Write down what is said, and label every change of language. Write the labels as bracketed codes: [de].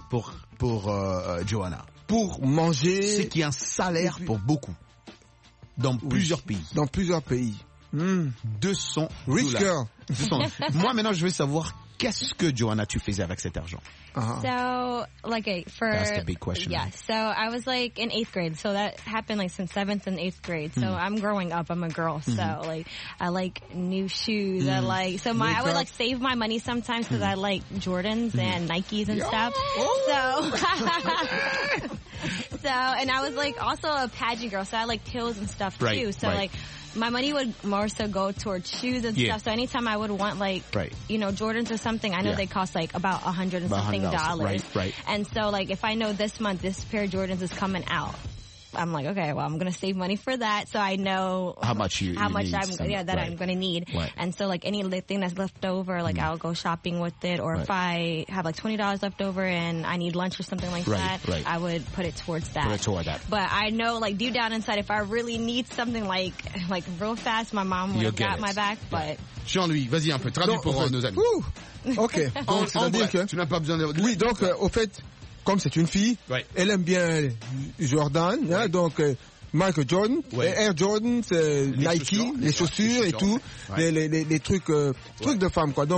[fr] pour Johanna. Pour manger... C'est qui un salaire pour beaucoup. Dans plusieurs pays. $200. [en] Rich girl. [fr] $200. Moi maintenant, je veux savoir Qu'est-ce que, Johanna, tu faisais avec cet argent? [en] So, like, for... That's the big question. Yes. So, I was, like, in eighth grade. So, that happened, like, since seventh and eighth grade. So, I'm growing up. I'm a girl. So, like, I like new shoes. I like... So, my, I would, like, save my money sometimes because I like Jordans and Nikes and stuff. So... So, and I was, like, also a pageant girl. So, I like heels and stuff, too. So, like... My money would more so go towards shoes and stuff. So anytime I would want, like, you know, Jordans or something, I know they cost, like, about $100 and something. Right. And so, like, if I know this month this pair of Jordans is coming out, I'm like, okay, well, I'm going to save money for that. So I know how much I'm going to need. Right. And so, like, any thing that's left over, like, I'll go shopping with it. Or if I have, like, $20 left over and I need lunch or something like that, I would put it towards that. Put it toward that. But I know, like, deep down inside, if I really need something, like real fast, my mom would have got my back. But [fr] Jean-Louis, vas-y un peu. Traduis pour nos amis. Ok. Donc, c'est-à-dire que... Tu n'as pas besoin de... Oui, donc, au fait... Comme c'est une fille, elle aime bien Jordan, hein, donc Michael Jordan, Air Jordan, Nike, les chaussures et tout, les trucs, trucs de femme, quoi.